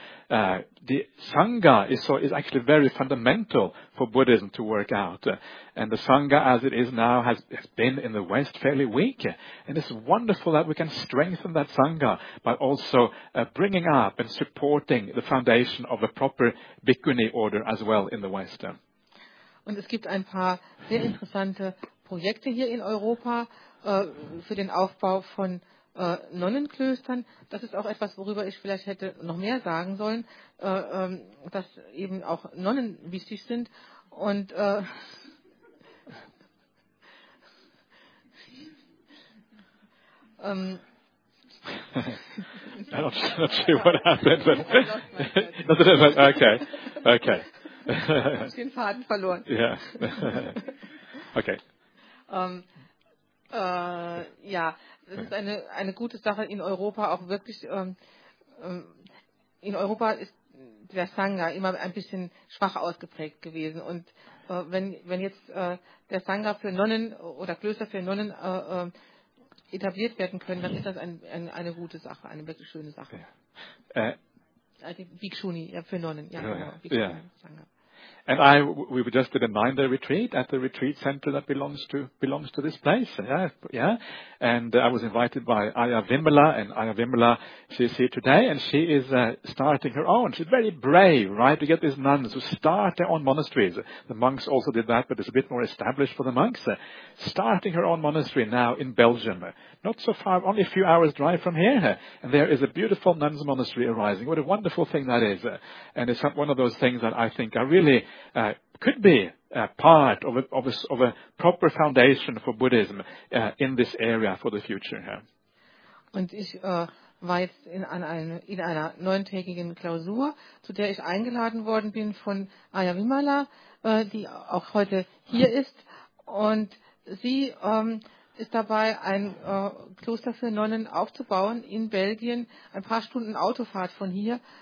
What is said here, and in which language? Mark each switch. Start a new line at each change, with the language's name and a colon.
English: The Sangha is actually very fundamental for Buddhism to work out. And the Sangha, as it is now, has been in the West fairly weak. And it's wonderful that we can strengthen that Sangha by also bringing up and supporting the foundation of a proper bhikkhuni order as well in the West.
German: Und es gibt ein paar sehr interessante Projekte hier in Europa für den Aufbau von Nonnenklöstern. Das ist auch etwas, worüber ich vielleicht hätte noch mehr sagen sollen, dass eben auch Nonnen wichtig sind. Und
English: I'm not sure what happened, but lost my thread. Okay, okay.
German: Ich den Faden verloren.
English: Yeah. Okay.
German: Ja, das ist eine gute Sache in Europa, auch wirklich. In Europa ist der Sangha immer ein bisschen schwach ausgeprägt gewesen. Und wenn jetzt der Sangha für Nonnen oder Klöster für Nonnen etabliert werden können, dann ist das eine gute Sache, eine wirklich schöne Sache.
English: Yeah.
German: Die Bhikshuni, ja, für Nonnen, ja,
English: oh, yeah.
German: Genau,
English: Bhikshuni, yeah. And we just did a minder retreat at the retreat center that belongs to this place. Yeah. And I was invited by Aya Vimala, and Aya Vimala, she's here today, and she is starting her own. She's very brave, right, to get these nuns who start their own monasteries. The monks also did that, but it's a bit more established for the monks. Starting her own monastery now in Belgium. Not so far, only a few hours' drive from here. And there is a beautiful nuns' monastery arising. What a wonderful thing that is. And it's one of those things that I think are really could be a part of a proper foundation for Buddhism in this area for the future.
German: Und ich war jetzt in einer neuntägigen Klausur, zu der ich eingeladen worden bin von Aya Vimala, die auch heute hier ist. Und sie ist dabei, ein Kloster für Nonnen aufzubauen in Belgien, ein paar Stunden Autofahrt von hier.